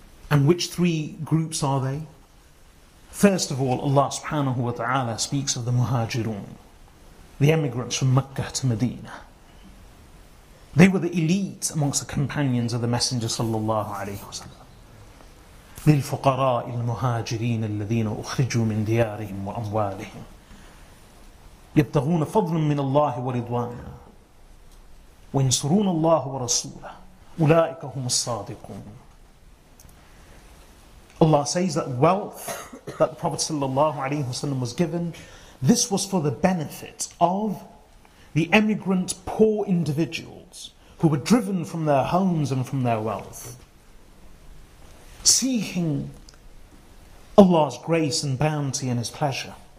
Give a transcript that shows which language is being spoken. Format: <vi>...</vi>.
<en>And which three groups are they? First of all, Allah subhanahu wa ta'ala speaks of the muhajirun, the emigrants from Makkah to Medina. They were the elite amongst the companions of the Messenger sallallahu alayhi wa sallam.</en> <ar>للفقراء المهاجرين الذين أخرجوا من ديارهم وأموالهم يبتغون فضلا من الله ورضوانا وينصرون الله ورسوله أولئك هم الصادقون.</ar> <en>Allah says that wealth that the Prophet sallallahu alaihi wasallam was given, this was for the benefit of the emigrant poor individuals who were driven from their homes and from their wealth, seeking Allah's grace and bounty and His pleasure.</en>